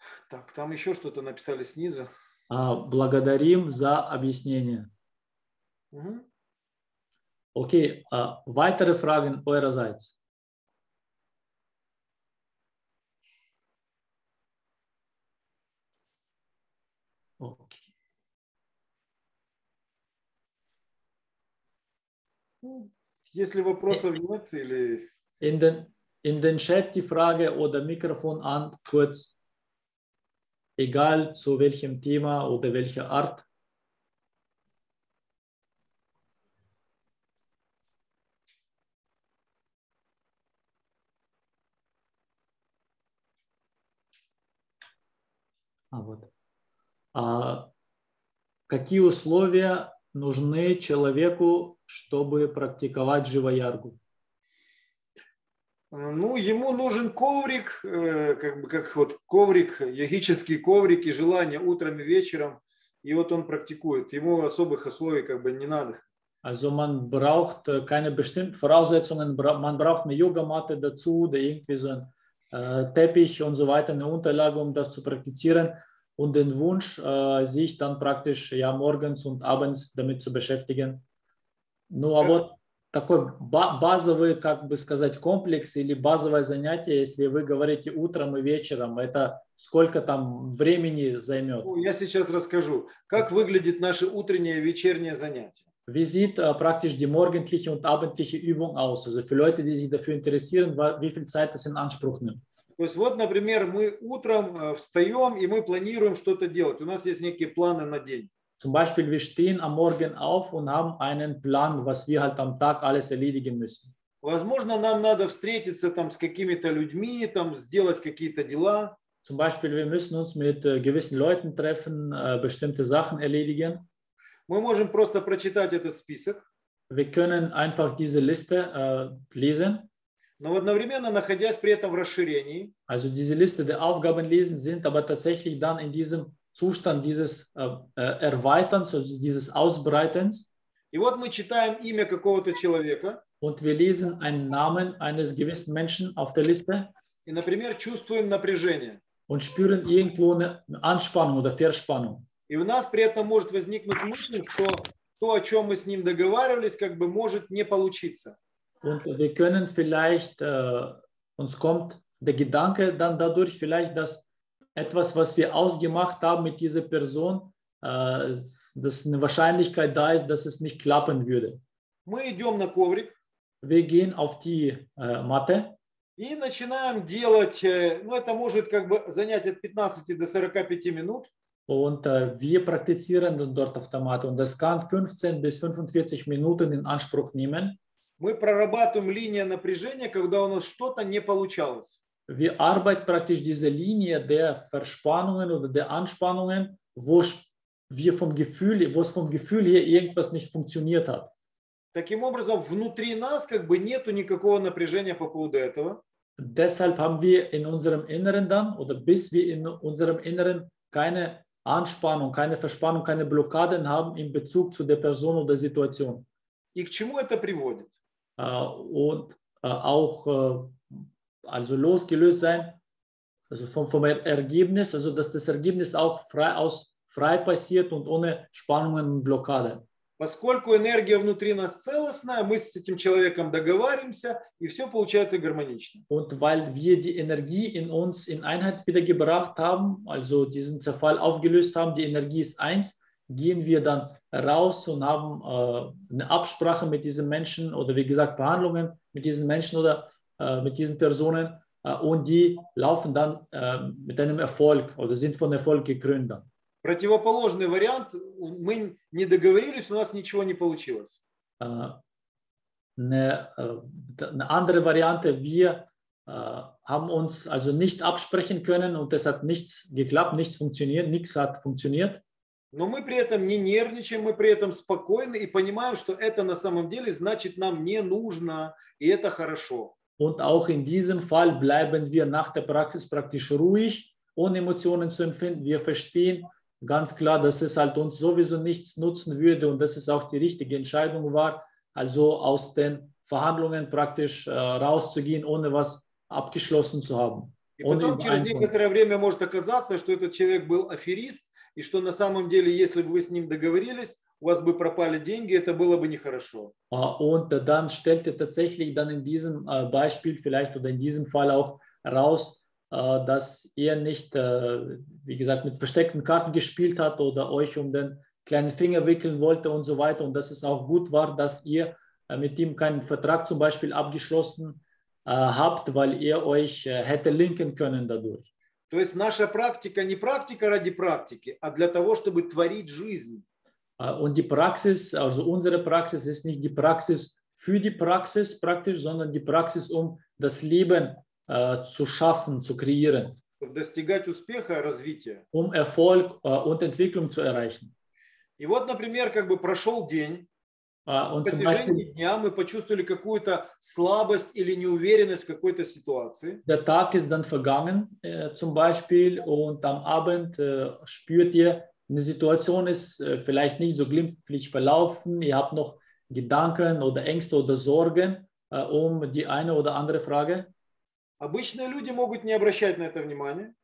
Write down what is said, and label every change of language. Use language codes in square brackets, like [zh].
[ru] Так, там еще что-то написали снизу. Благодарим за объяснение. [de] Окей, weitere Fragen eurerseits. [ru] Окей. Если вопросов нет или... [de] In den Chat die Frage oder Mikrofon an, kurz. Egal zu welchem Thema oder welcher Art. [ru] Какие условия нужны человеку, чтобы практиковать Живаяргу? Ну, ему нужен коврик, как бы как вот коврик, йогический коврик и желание утром и вечером, и вот он практикует. Ему особых условий как бы не надо. [de] Also man braucht keine bestimmten Voraussetzungen, man braucht eine Yogamatte dazu, oder irgendwie so ein Teppich und so weiter, eine Unterlage, um das zu praktizieren. Und den Wunsch, sich dann praktisch ja morgens und abends damit zu beschäftigen. [ru] Ну, а вот такой базовый, как бы сказать, комплекс или базовое занятие, если вы говорите утром и вечером, это сколько там времени займет? Я сейчас расскажу, как выглядит наше утреннее и вечернее занятие. [de] Wie sieht praktisch die morgendliche und abendliche Übung aus? Also für Leute, die sich dafür interessieren, wie viel Zeit das in Anspruch nimmt. [ru] То есть вот, например, мы утром встаем, и мы планируем что-то делать. У нас есть некие планы на день. [de] Zum Beispiel, wir stehen am Morgen auf und haben einen Plan, was wir halt am Tag alles erledigen müssen. [ru] Возможно, нам надо встретиться там с какими-то людьми, там сделать какие-то дела. [de] Zum Beispiel, wir müssen uns mit gewissen Leuten treffen, bestimmte Sachen erledigen. [ru] Мы можем просто прочитать этот список. [de] Wir können einfach diese Liste lesen. [ru] Но одновременно находясь при этом в расширении. [de] Also diese Liste der Aufgaben lesen sind aber tatsächlich dann in diesem Zustand dieses Erweiterns, also dieses Ausbreitens. [ru] И вот мы читаем имя какого-то человека. [de] Und wir lesen einen Namen eines gewissen Menschen auf der Liste. [ru] И, например, чувствуем напряжение. [de] Und spüren irgendwo eine Anspannung oder Verspannung. [ru] И у нас при этом может возникнуть мысль, что то, о чем мы с ним договаривались, как бы может не получиться. [de] Und wir können vielleicht, uns kommt der Gedanke dann dadurch vielleicht, dass etwas, was wir ausgemacht haben mit dieser Person, dass eine Wahrscheinlichkeit da ist, dass es nicht klappen würde. [ru] Мы идем на коврик. [en] We go on the mat. [ru] И начинаем делать, ну это может как бы занять от 15 до 45 минут. [de] Und wir praktizieren dort auf der Matte und das kann 15 bis 45 Minuten in Anspruch nehmen. [ru] Мы прорабатываем линию напряжения, когда у нас что-то не получалось. [de] Wir arbeiten praktisch diese Linie der Verspannungen oder der Anspannungen, wo wir vom Gefühl, wo es vom Gefühl hier irgendwas nicht funktioniert hat. [ru] Таким образом, внутри нас как бы нету никакого напряжения по поводу этого. [de] Deshalb haben wir in unserem Inneren dann oder bis wir in unserem Inneren keine Anspannung, keine Verspannung, keine Blockaden haben in Bezug zu der Person oder Situation. [ru] И к чему это приводит? [de] Und auch also losgelöst sein, also vom Ergebnis, also dass das Ergebnis auch frei passiert und ohne Spannungen und Blockaden. [ru] Поскольку энергия внутри нас целостная, мы с этим человеком договариваемся, и все получается гармонично. [de] Und weil wir die Energie in uns in Einheit wiedergebracht haben, also diesen Zerfall aufgelöst haben, die Energie ist eins, gehen wir dann raus und haben eine Absprache mit diesen Menschen oder wie gesagt Verhandlungen mit diesen Menschen oder mit diesen Personen und die laufen dann mit einem Erfolg oder sind von Erfolg gekrönt dann. [ru] Противоположный вариант, мы не договорились, у нас ничего не получилось. [de] Eine andere Variante, wir haben uns also nicht absprechen können und es hat nichts geklappt, nichts funktioniert, nichts hat funktioniert. [ru] Но мы при этом не нервничаем, мы при этом спокойны и понимаем, что это на самом деле значит нам не нужно, и это хорошо. [de] Und auch in diesem Fall bleiben wir nach der Praxis praktisch ruhig, ohne Emotionen zu empfinden. Wir verstehen ganz klar, dass es halt uns sowieso nichts nutzen würde und dass es auch die richtige Entscheidung war, also aus den Verhandlungen praktisch rauszugehen, ohne was abgeschlossen zu haben. Und [ru] потом через некоторое время может оказаться, что этот человек был аферист и что на самом деле, если бы вы с ним договорились, у вас бы пропали деньги, это было бы нехорошо. [de] Und dann stellt er tatsächlich dann in diesem Beispiel vielleicht oder in diesem Fall auch raus, dass ihr nicht, wie gesagt, mit versteckten Karten gespielt habt oder euch um den kleinen Finger wickeln wollte und so weiter und dass es auch gut war, dass ihr mit ihm keinen Vertrag zum Beispiel abgeschlossen habt, weil ihr euch hätte linken können dadurch. [ru] То есть наша практика не практика ради практики, а для того, чтобы творить жизнь. [de] Und die Praxis, also unsere Praxis ist nicht die Praxis für die Praxis praktisch, sondern die Praxis um das Leben zu schaffen, zu kreieren. [ru] Достигать успеха, развития. [de] Um Erfolg und Entwicklung zu erreichen. [ru] И вот, например, как бы прошел день, [de] und [ru] в течение дня мы почувствовали какую-то слабость или неуверенность в какой-то ситуации. [de] Der Tag ist dann vergangen, zum Beispiel, und am Abend spürt ihr, eine Situation ist vielleicht nicht so glimpflich verlaufen, ihr habt noch Gedanken oder Ängste oder Sorgen um die eine oder andere Frage. [ru] Обычные люди могут не обращать на это внимания.